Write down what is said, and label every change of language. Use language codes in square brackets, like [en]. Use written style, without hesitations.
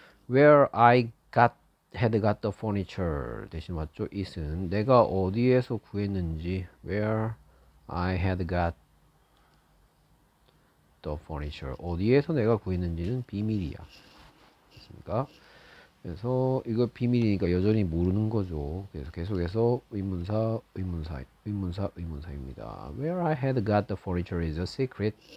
[en] Where I had got the furniture 대신 맞죠? [ko] It은 내가 어디에서 구했는지. [en] Where I had got The furniture. [ko] 어디에서 내가 구했는지는 비밀이야. 됐습니까? 그래서 이거 비밀이니까 여전히 모르는 거죠. 그래서 계속해서 의문사입니다. [en] Where I had got the furniture is a secret.